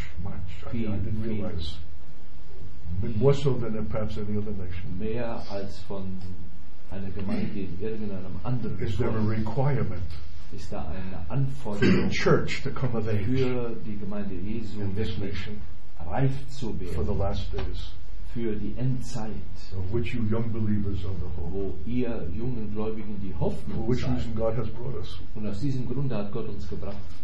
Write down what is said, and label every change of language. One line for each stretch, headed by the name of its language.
English: Much. I didn't realize. But more so than perhaps any other nation.
German: Mehr als von einer Gemeinde in irgendeinem anderen.
English: Is there a requirement?
German: Ist da eine Anforderung für die Gemeinde Jesu, reif zu werden für die Endzeit, wo ihr jungen Gläubigen die Hoffnung seid, und aus diesem Grunde hat Gott uns gebracht.